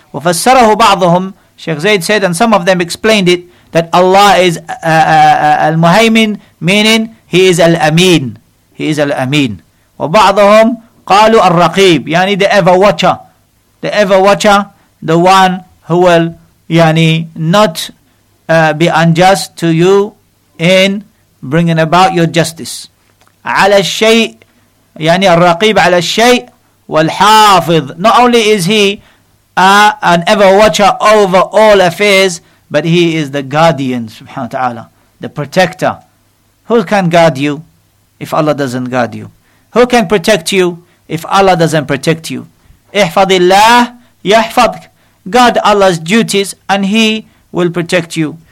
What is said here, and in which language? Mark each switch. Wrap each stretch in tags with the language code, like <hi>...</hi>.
<en>Wafassarahu ba'dhum, Sheikh Zayd said, and some of them explained it, that Allah is al-muhaymin, meaning he is al-ameen. He is al-ameen.</en> <ar>وَبَعْضَهُمْ قَالُوا الرَّقِيبُ, yani</ar> <en>the ever watcher. The ever watcher, the one who will yani not be unjust to you in bringing about your justice.</en> <ar>عَلَى الشَّيْءِ, yani الرَّقِيبُ عَلَى الشَّيْءِ وَالْحَافِظُ.</ar> <en>Not only is he an ever watcher over all affairs, but he is the guardian, subhanahu wa ta'ala, the protector. Who can guard you if Allah doesn't guard you? Who can protect you if Allah doesn't protect you?</en> <ar>اِحْفَظِ اللَّهِ يَحْفَظْكَ,</ar> <en>guard Allah's duties and he will protect you.</en>